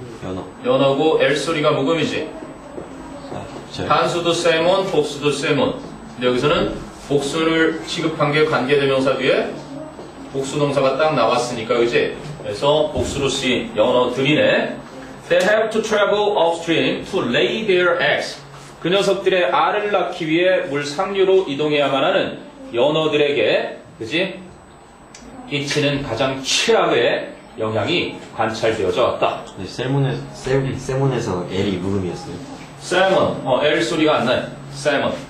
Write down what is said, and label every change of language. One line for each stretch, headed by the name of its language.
Korean: 연어. 연어고 L 소리가 묵음이지. 단수도 salmon, 복수도 salmon. 근데 여기서는 복수를 취급한 게 관계대명사 뒤에 복수동사가 딱 나왔으니까, 그지? 그래서 복수로 쓰인 연어들이네.
English: They have to travel upstream to lay their eggs.
Korean: 그 녀석들의 알을 낳기 위해 물 상류로 이동해야만 하는 연어들에게, 그지? 끼치는 가장 최악의 영향이 관찰되어져 왔다. 네, 세몬에서 L이 무음이었어요. 세몬. 어, L 소리가 안 나요. 세몬.